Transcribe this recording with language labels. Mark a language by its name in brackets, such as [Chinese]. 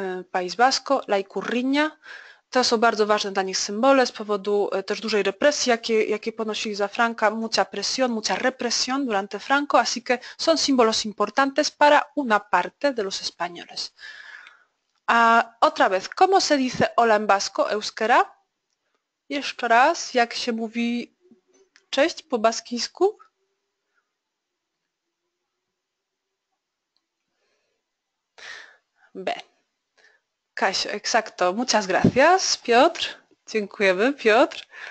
[Polish] País Vasco, La Ikurriña. To są bardzo ważne dla nich symbole z powodu też dużej represji, jakie ponosili za Franka. [Spanish] Mucha presión, mucha represión durante Franco. Así que son símbolos importantes para una parte de los españoles. Otra vez, ¿cómo se dice hola en vasco, euskera? [Polish] Jeszcze raz, jak się mówi cześć po baskijsku? [Spanish] B. Kasiu, exacto. Muchas gracias, Piotr. [Polish] Dziękujemy, Piotr.